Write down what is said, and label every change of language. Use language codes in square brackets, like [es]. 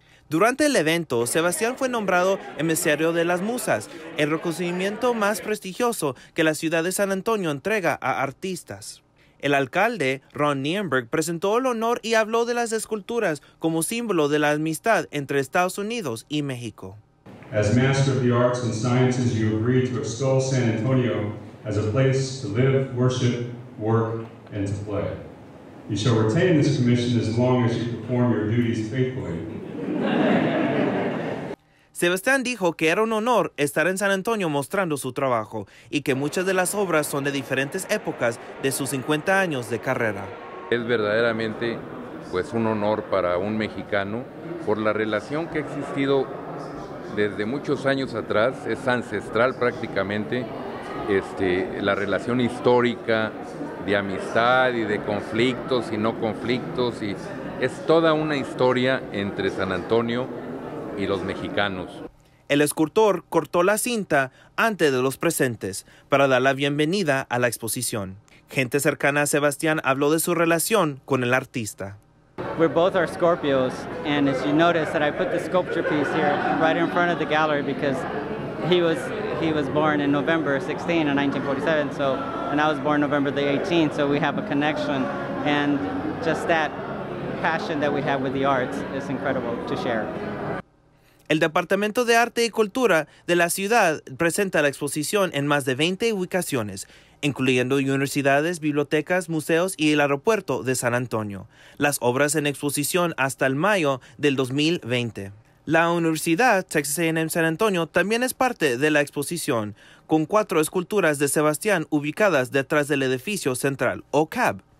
[es] Durante el evento, Sebastián fue nombrado Emisario de las Musas, el reconocimiento más prestigioso que la ciudad de San Antonio entrega a artistas. El alcalde, Ron Nienberg, presentó el honor y habló de las esculturas como símbolo de la amistad entre Estados Unidos y México. [en] As Master of the Arts and Sciences, you agree to extol San Antonio as a place to live, worship, work, and to play. You shall retain this commission as long as you perform your duties faithfully. [es] Sebastián dijo que era un honor estar en San Antonio mostrando su trabajo y que muchas de las obras son de diferentes épocas de sus 50 años de carrera. Es verdaderamente pues un honor para un mexicano por la relación que ha existido desde muchos años atrás, es ancestral prácticamente, la relación histórica de amistad y de conflictos y no conflictos y es toda una historia entre San Antonio y los mexicanos. El escultor cortó la cinta antes de los presentes para dar la bienvenida a la exposición. Gente cercana a Sebastián habló de su relación con el artista. [en] We both are Scorpios, and as you notice that I put the sculpture piece here right in front of the gallery because he was born in November 16, 1947, so, and I was born November the 18th, so we have a connection, and just that passion that we have with the arts is incredible to share. [es] El Departamento de Arte y Cultura de la ciudad presenta la exposición en más de 20 ubicaciones, incluyendo universidades, bibliotecas, museos y el aeropuerto de San Antonio. Las obras en exposición hasta el mayo del 2020. La Universidad Texas A&M San Antonio también es parte de la exposición, con 4 esculturas de Sebastián ubicadas detrás del edificio central, o CAB.